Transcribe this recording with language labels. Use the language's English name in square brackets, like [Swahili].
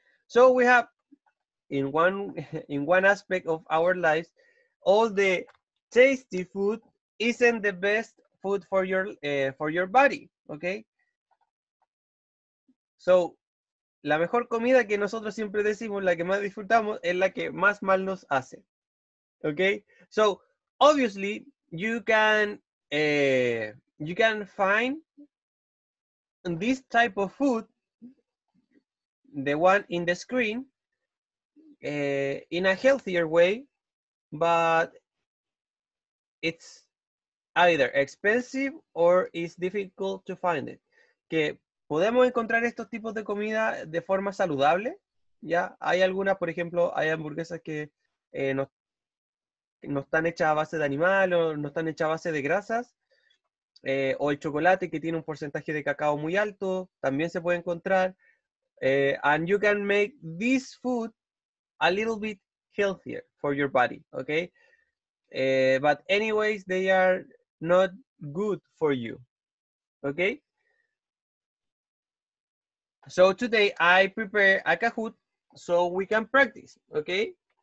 [English] So we have in one aspect of our lives, all the tasty food isn't the best food for your body, okay? [Spanish] So, la mejor comida que nosotros siempre decimos, la que más disfrutamos, es la que más mal nos hace. [English] Okay? So, obviously, you can find this type of food, the one in the screen, in a healthier way, but it's either expensive or it's difficult to find it. [Spanish] Que podemos encontrar estos tipos de comida de forma saludable, ¿ya? Hay algunas, por ejemplo, hay hamburguesas que no están hechas a base de animal o no están hechas a base de grasas, o el chocolate que tiene un porcentaje de cacao muy alto, también se puede encontrar. [English] And you can make this food a little bit healthier for your body, okay? But anyways, they are not good for you, okay? So today I prepare a Kahoot so we can practice, okay?